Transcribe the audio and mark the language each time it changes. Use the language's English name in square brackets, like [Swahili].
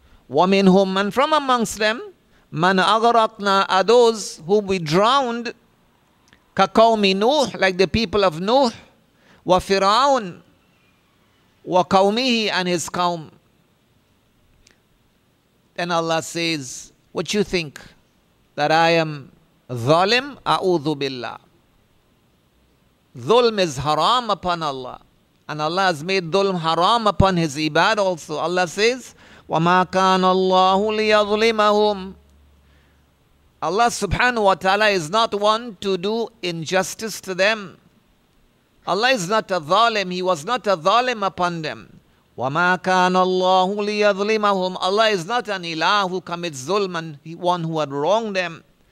[Arabic] وَمِنْهُمْ [English] and from amongst them, [Arabic] مَنْ أَغْرَقْنَا [English] are those whom we drowned, [Arabic] كَقَوْمِ نُوحٍ [English] like the people of Nuh, [Arabic] وَفِرْعَوْنَ وَقَوْمِهِ [English] and his قَوْمِ. Then Allah says, what you think, that I am [Arabic] ظَالِمْ أَعُوذُ بِاللَّهِ. [English] ظُلْم is haram upon Allah. And Allah has made dhulm haram upon his ibad also. Allah says, [Arabic] وَمَا كَانَ اللَّهُ لِيَظْلِمَهُمْ. [English] Allah subhanahu wa ta'ala is not one to do injustice to them. Allah is not a zalim. He was not a zalim upon them. [Arabic] وَمَا كَانَ اللَّهُ لِيَظْلِمَهُمْ. [English] Allah is not an ilah who commits zulm and one who had wronged them.